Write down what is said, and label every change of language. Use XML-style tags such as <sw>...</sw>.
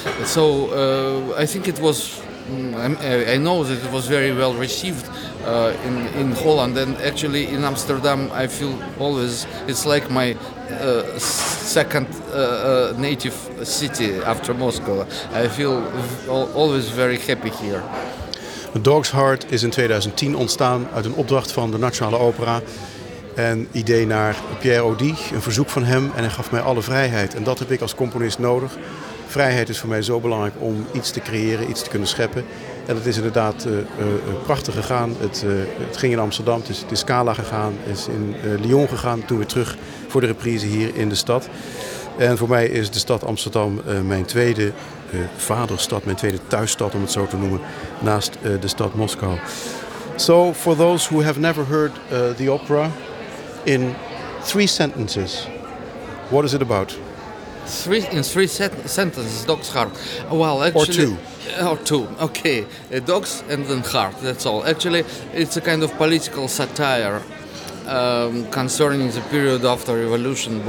<en>So I think it was, I know that it was very well received in Holland, and actually in Amsterdam I feel always it's like my second native city after Moscow. I feel always very happy here.</en> <nl>Dog's Heart is in 2010 ontstaan uit een opdracht van de Nationale Opera. Een idee naar Pierre Audi, een verzoek van hem, en hij gaf mij alle vrijheid. En dat heb ik als componist nodig. Vrijheid is voor mij zo belangrijk om iets te creëren, iets te kunnen scheppen. En het is inderdaad prachtig gegaan. Het ging in Amsterdam, het is Scala gegaan, het is in Lyon gegaan, toen weer terug voor de reprise hier in de stad. En voor mij is de stad Amsterdam mijn tweede vaderstad, mijn tweede thuisstad, om het zo te noemen, naast de stad Moskou.</nl> <en>So, for those who have never heard the opera, in 3 sentences, what is it about? In three sentences, Dog's Heart. Well, actually, or two. Okay, a dog's and then heart. That's all. Actually, it's a kind of political satire concerning the period after revolution.</en>